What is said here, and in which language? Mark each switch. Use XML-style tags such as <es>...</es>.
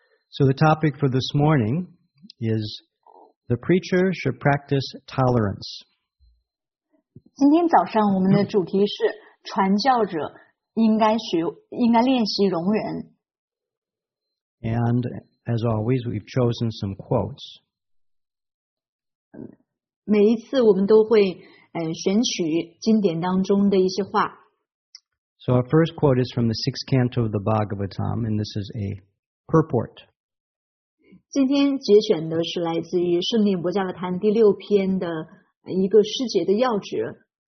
<en>So the topic for this morning is the preacher should practice tolerance.</en> <zh>今天早上我们的主题是传教者应该练习容忍。</zh> <en>And as always, we've chosen some quotes.</en> <zh>每一次我们都会选取经典当中的一些话。</zh> <en>So our first quote is from the sixth canto of the Bhagavatam, and this is a purport.</en> <zh>今天节选的是来自于《圣念伯加瓦坛》第六篇的一个释节的要旨。</zh>